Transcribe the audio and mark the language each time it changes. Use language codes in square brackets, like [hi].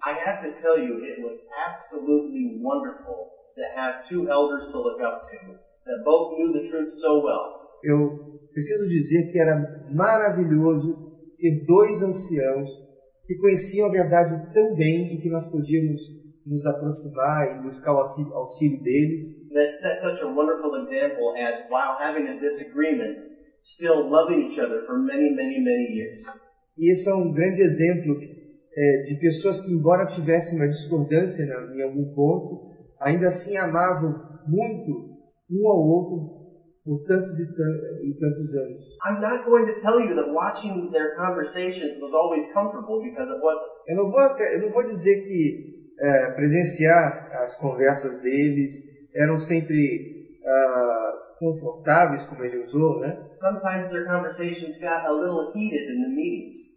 [en] I have to tell you, it was absolutely wonderful to have two elders to look up to, that both knew the truth so well. [pt] Eu preciso dizer que era maravilhoso ter dois anciãos que conheciam a verdade tão bem e que nós podíamos nos aproximar e buscar o auxílio deles. [en] That set such a wonderful example as, while having a disagreement, still loving each other for many, many, many years. [pt] E esse é um grande exemplo de pessoas que, embora tivessem uma discordância em algum ponto, ainda assim amavam muito um ao outro por tantos e tantos anos. [en] I'm not going to tell you that watching their conversations was always comfortable, because it wasn't. [pt] Eu não vou dizer que presenciar as conversas deles eram sempre confortáveis, como ele usou, né? [en] Sometimes their conversations got a little heated in the meetings.